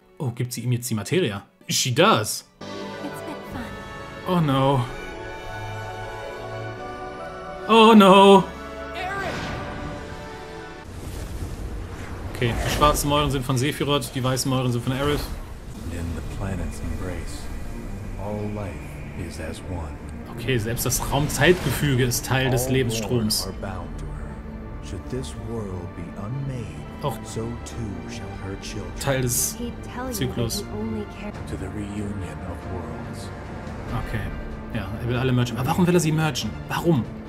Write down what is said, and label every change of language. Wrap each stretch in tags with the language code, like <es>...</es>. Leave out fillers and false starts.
<de>Oh, gibt sie ihm jetzt die Materia?</de> <en>She does. It's been fun. Oh no. Oh no!</en> <de>Okay, die schwarzen Mäuren sind von Sephiroth, die weißen Mäuren sind von Aerith.</de> <en>In the planet's embrace, all life is as one.</en> <de>Okay, selbst das Raumzeitgefüge ist Teil des Lebensstroms.</de> <en>Should this world be unmade, auch so too shall her children.</en> <de>Teil des Zyklus.</de> <en>To the reunion of worlds.</en> <de>Okay. Ja, er will alle merchen. Aber warum will er sie merchen? Warum?</de>